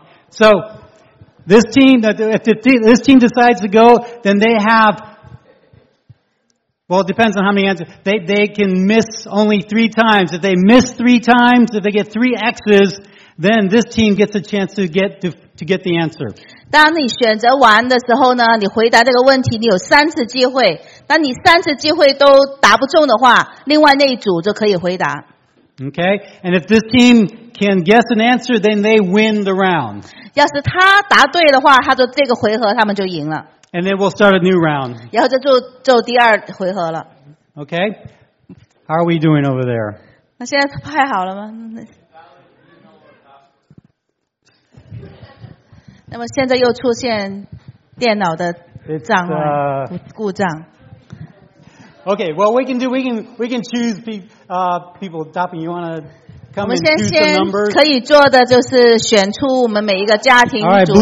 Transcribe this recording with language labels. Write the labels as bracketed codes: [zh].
[en] So this team, if this team decides to go, then they have, well, it depends on how many answers. They can miss only three times. If they miss three times, if they get three X's, then this team gets a chance to get the answer. [zh] 当你选择完的时候呢，你回答这个问题，你有三次机会。当你三次机会都答不中的话，另外那一组就可以回答。 [en] Okay, and if this team can guess an answer, then they win the round. [zh] 要是他答对的话，他就这个回合他们就赢了。 [en] And then we'll start a new round. [zh] 然后就第二回合了。 [en] Okay, how are we doing over there? [zh] 那现在派好了吗？那么现在又出现电脑的障碍、故障。 [en] Okay, well, we can choose people. Dopping, you want to come and choose the numbers? [zh] 可以做的就是选出我们每一个家庭组合。